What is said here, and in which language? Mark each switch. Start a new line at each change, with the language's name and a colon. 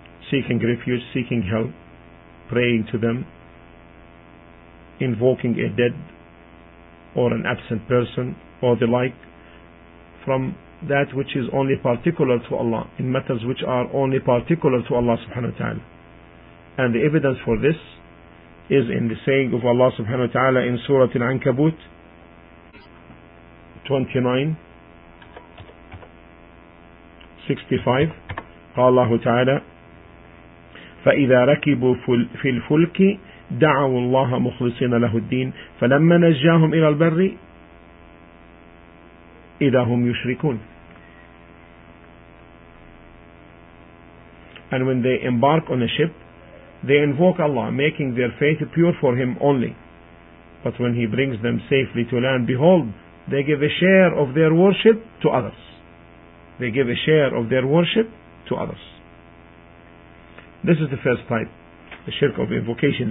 English: seeking refuge, seeking help, praying to them, invoking a dead or an absent person or the like, from that which is only particular to Allah, in matters which are only particular to Allah subhanahu wa ta'ala. And the evidence for this is in the saying of Allah subhanahu wa ta'ala in Surah Al-Ankabut 29:65.
Arabic: قال الله تعالى فإذا ركبوا في الفلك دعوا الله مخلصين له الدين فلما نجاهم إلى البر إذا هم يشركون.
English: And when they embark on a ship, they invoke Allah, making their faith pure for Him only. But when He brings them safely to land, behold, they give a share of their worship to others. They give a share of their worship to others. This is the first type, the shirk of invocation.